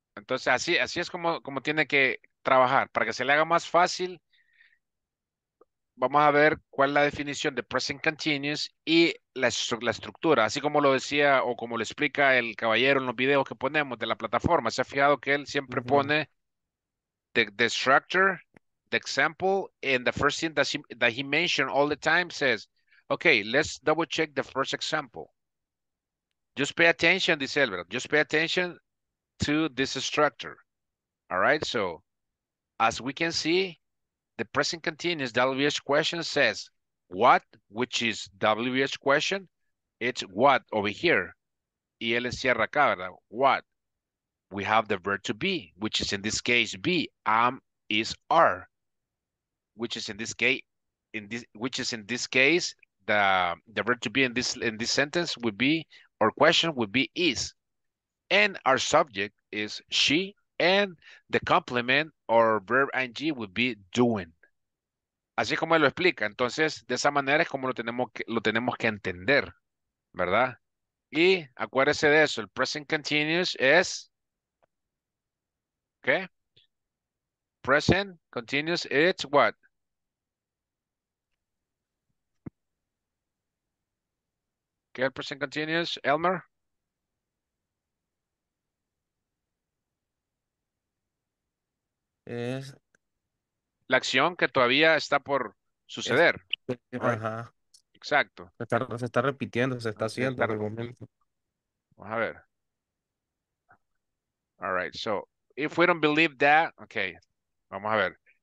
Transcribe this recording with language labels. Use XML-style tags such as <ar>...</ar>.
<es>Entonces, así es como tiene que trabajar. Para que se le haga más fácil, vamos a ver cuál es la definición de present continuous y la estructura. Así como lo decía o como lo explica el caballero en los videos que ponemos de la plataforma. ¿Se ha fijado que él siempre mm-hmm.</es> <en>pone the structure, the example, and the first thing that he mentioned all the time says, okay, let's double check the first example. Just pay attention,</en> <es>dice él, ¿verdad?</es> <en>Just pay attention to this structure. All right, so as we can see, the present continuous WH question says what, which is WH question. It's what over here.</en> <es>Y él encierra acá, ¿verdad?</es> <en>What? We have the verb to be, which is in this case be. Am is are, which is in this case, the verb to be in this sentence would be, or question would be, is. And our subject is she, and the complement or verb ing would be doing.</en> <es>Así como él lo explica. Entonces, de esa manera es como lo tenemos que entender, ¿verdad? Y acuérdese de eso. El present continuous es, ¿qué?</es> <en>Okay. Present continuous, it's what?</en> <es>¿Qué es el present continuous, Elmer? Es la acción que todavía está por suceder. Ajá. Exacto. Se está repitiendo, se está okay, haciendo en el momento. Vamos a ver.</es> <en>All right, so if we don't believe that, okay,</en> <es>vamos a ver.</es>